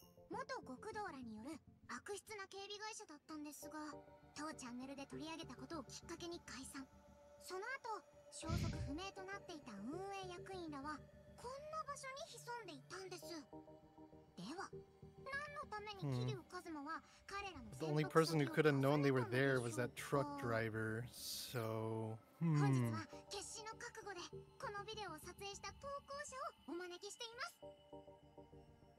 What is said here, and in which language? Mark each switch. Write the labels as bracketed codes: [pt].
[ja] 元極道らによる悪質な警備会社だったんですが、当チャンネルで取り上げたことをきっかけに解散。その後消息不明となっていた運営役員らはこんな場所に潜んでいたんです。では何のために桐生一馬は彼らの [en] The only person who could have known they were there was that truck driver. So [ja] 本日は決死の覚悟でこのビデオを撮影した投稿者をお招きしています。